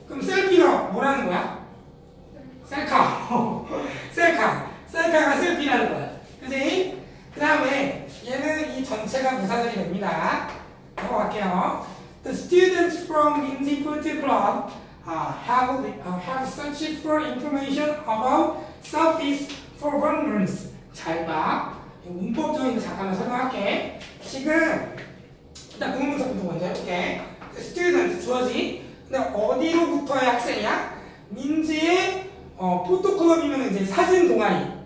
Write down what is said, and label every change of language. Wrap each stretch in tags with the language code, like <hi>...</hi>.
<ko>그럼 셀피가 뭐라는 거야? 셀카가 셀피라는 거야. 그지? 그 다음에, 얘는 이 전체가 부사절이 됩니다. 하고 갈게요.</ko> <en>The students from Indie Putty Club have searched for information about selfies for one month.</en> <ko>잘 봐. 문법적인 거 잠깐만 설명할게. 지금, 일단 문법부터 먼저 해볼게. The students, 주어지. 근데 어디로부터의 학생이야? 민지의 포토클럽이면 이제 사진 동아리.</ko>